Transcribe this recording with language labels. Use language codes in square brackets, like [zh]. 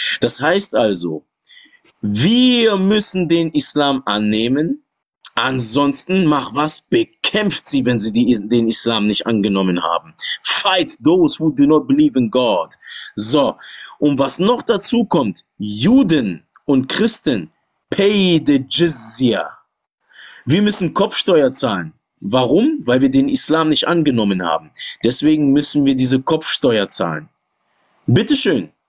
[de] Das heißt also, wir müssen den Islam annehmen, ansonsten mach was, bekämpft sie, wenn sie den Islam nicht angenommen haben. [en] Fight those who do not believe in God. [de] So, und was noch dazu kommt, Juden und Christen, [en] pay the Jizya. [de] Wir müssen Kopfsteuer zahlen. Warum? Weil wir den Islam nicht angenommen haben. Deswegen müssen wir diese Kopfsteuer zahlen. Bitteschön.